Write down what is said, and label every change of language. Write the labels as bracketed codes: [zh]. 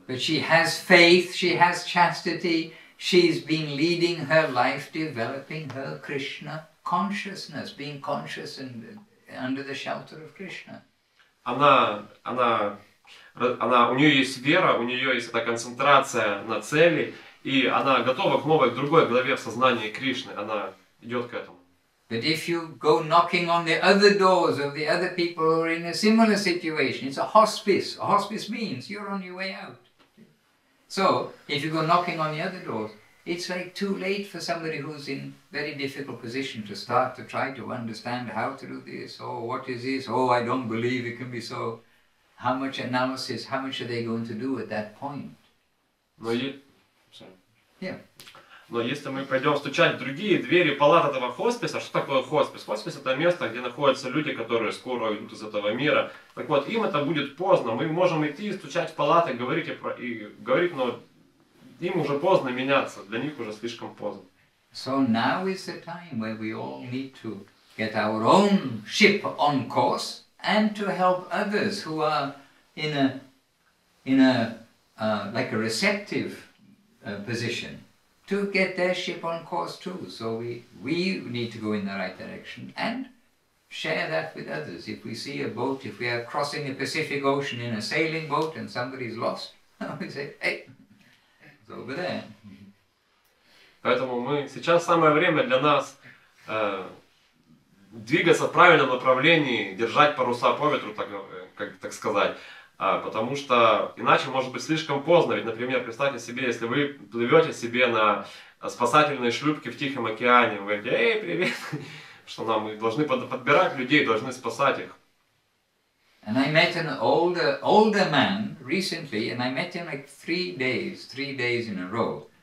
[en] But she has faith, she has chastity, she's been leading her life, developing her Krishna consciousness, being conscious and under the shelter of Krishna. [ru] Она, у нее есть вера, у нее есть эта концентрация на цели, и она готова к новой, к другой главе в сознании Кришны. Она идет к этому. [en] But if you go knocking on the other doors of the other people who are in a similar situation, it's a hospice. A hospice means you're on your way out. So if you go knocking on the other doors, it's like too late for somebody who's in very difficult position to start to try to understand how to do this, or what is this, oh, I don't believe it can be so. How much analysis, how much are they going to do at that point? [ru] Но, е... Но если мы пойдем стучать в другие двери палат этого хосписа, что такое хоспис? Хоспис — это место, где находятся люди, которые скоро уйдут из этого мира. Так вот, им это будет поздно. Мы можем идти и стучать в палаты, говорить, и говорить, но им уже поздно меняться. Для них уже слишком поздно. [en] So now is the time where we all need to get our own ship on course and to help others who are in a receptive position. To get their ship on course too, so we need to go in the right direction and share that with others. If we see a boat, if we are crossing the Pacific Ocean in a sailing boat and somebody's lost, we say, "Hey, it's over there." [ru] Поэтому мы сейчас самое время для нас двигаться в правильном направлении, держать паруса по ветру, так сказать. Потому что иначе может быть слишком поздно. Ведь, например, представьте себе, если вы плывете себе на спасательной шлюпке в Тихом океане, вы говорите, эй, привет, что нам, мы должны подбирать людей, должны спасать их. [en] And I met an older man recently, and I met him like three days in a row.